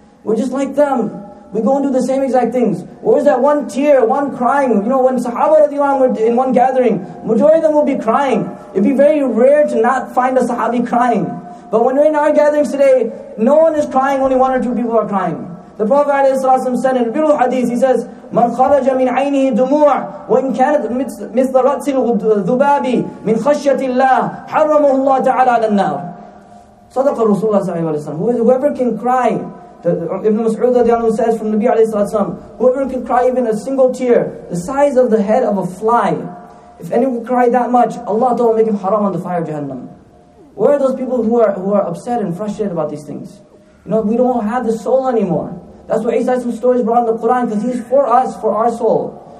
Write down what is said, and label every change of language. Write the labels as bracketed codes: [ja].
[en] We're just like them. We go and do the same exact things. Where's that one tear, one crying? You know, when Sahaba radiallahu anhu were in one gathering, majority of them will be crying. It'd be very rare to not find a Sahabi crying. But when we're in our gatherings today, no one is crying, only one or two people are crying. The Prophet ﷺ said in a beautiful hadith, he says, [ar] مَنْ خَرَجَ مِنْ عَيْنِهِ دُمُوعَ وَإِنْ كَانَتْ مِثْلَ رَأْسِ الذُّبَابِ مِنْ خَشْيَةِ اللَّهِ حَرَّمُهُ اللَّهُ تَعَالَى عَلَى النَّارِ. صدق الرسول صلى الله عليه وسلم. [en] Whoever can cry, Ibn Mas'ud says from Nabi alayhi salatu wasalam, whoever can cry even a single tear, the size of the head of a fly, if anyone can cry that much, Allah Ta'ala will make him haram on the fire of Jahannam. Where are those people who are upset and frustrated about these things? You know, we don't have the soul anymore. That's why Isa's stories brought in the Quran, because he's for us, for our soul.